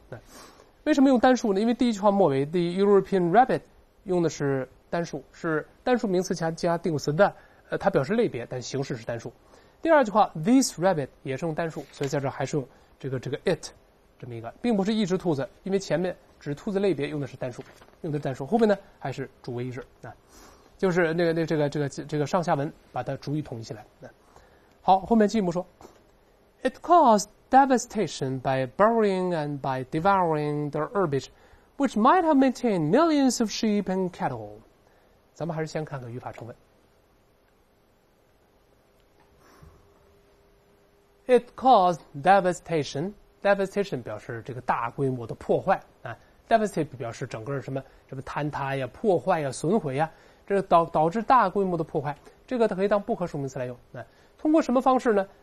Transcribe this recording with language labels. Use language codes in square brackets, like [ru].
[zh] 那为什么用单数呢？因为第一句话末尾 [en] the European rabbit [zh] 用的是单数，是单数名词加定语词的，它表示类别，但形式是单数。第二句话 [en] this rabbit [zh] 也是用单数，所以在这还是用这个 it 这么一个，并不是一只兔子，因为前面指兔子类别用的是单数，用的是单数，后面呢还是主谓一只啊。就是这个上下文把它逐一统一起来。好，后面进一步说 [en] It caused devastation by burying and by devouring the herbage which might have maintained millions of sheep and cattle。 [zh] 咱们还是先看看语法成分。 [en] It caused devastation， [zh] devastation 表示这个大规模的破坏啊， devastate 表示整个什么坍塌呀、破坏呀、损毁呀，这导致大规模的破坏，这个它可以当不可数名词来用。通过什么方式呢？